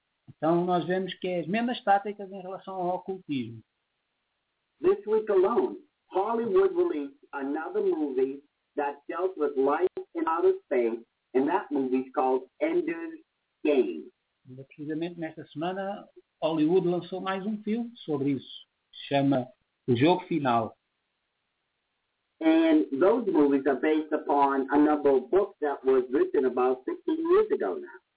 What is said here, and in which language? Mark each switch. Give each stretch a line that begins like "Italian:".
Portuguese: Então, nós vemos que é as mesmas táticas em relação ao ocultismo.
English: This week alone, Hollywood released another movie that dealt with life in outer space, and that movie is called Ender's Game.
Portuguese: E, precisamente nesta semana, Hollywood lançou mais um filme sobre isso. Chama O Jogo Final.
English: And those movies are based upon a number of books that was written about 15 years ago now.